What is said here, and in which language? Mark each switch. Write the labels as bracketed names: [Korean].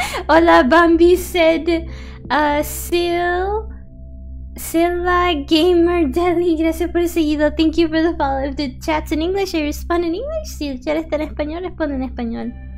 [Spanish] Hola Bambi said, Silla Gamer Deli, gracias por el seguido. [English] Thank you for the follow. If the chat's in English, I respond in English. [Spanish] Si el chat está en español, respond en español.